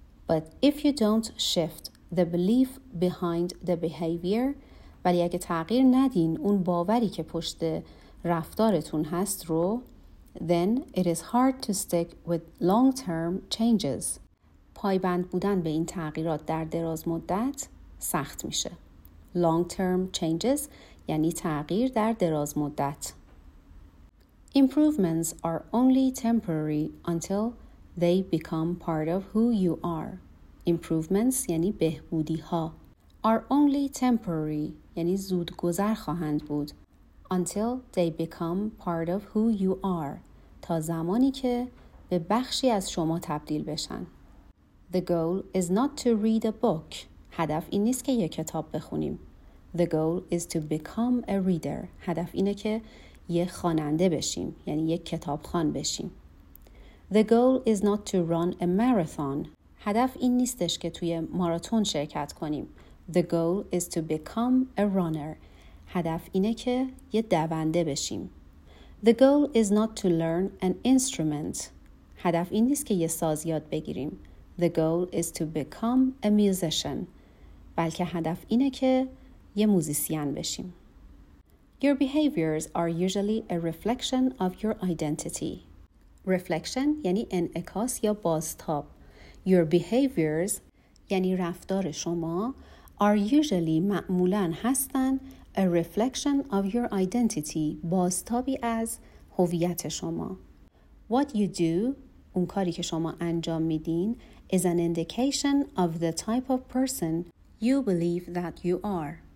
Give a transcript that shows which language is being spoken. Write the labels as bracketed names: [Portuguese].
[English] But if you don't shift the belief behind the behavior [Persian] ولی اگه تغییر ندین اون باوری که پشت رفتارتون هست رو [English] then it is hard to stick with long-term changes. [Persian] پایبند بودن به این تغییرات در دراز مدت سخت میشه. Long-term changes یعنی تغییر در دراز مدت. [English] Improvements are only temporary until they become part of who you are. [Persian] Improvements یعنی بهبودی ها. [English] Are only temporary [Persian] یعنی زود گذر خواهند بود. [English] Until they become part of who you are. [Persian] تا زمانی که به بخشی از شما تبدیل بشن. [English] The goal is not to read a book. [Persian] هدف این نیست که یک کتاب بخونیم. [English] The goal is to become a reader. [Persian] هدف اینه که یک خواننده بشیم. یعنی یک کتاب خوان بشیم. [English] The goal is not to run a marathon. [Persian] هدف این نیستش که توی ماراتون شرکت کنیم. [English] The goal is to become a runner. [Persian] هدف اینه که یک دونده بشیم. [English] The goal is not to learn an instrument. [Persian] هدف این نیست که یک ساز یاد بگیریم. [English] The goal is to become a musician. [Persian] بلکه هدف اینه که یه موزیسین بشیم. [English] Your behaviors are usually a reflection of your identity. [Persian] Reflection یعنی انعکاس یا بازتاب. [English] Your behaviors [Persian] یعنی رفتار شما [English] are usually [Persian] معمولاً هستن [English] a reflection of your identity [Persian] بازتابی از هویت شما. [English] What you do [Persian] اون کاری که شما انجام میدین [English] is an indication of the type of person you believe that you are.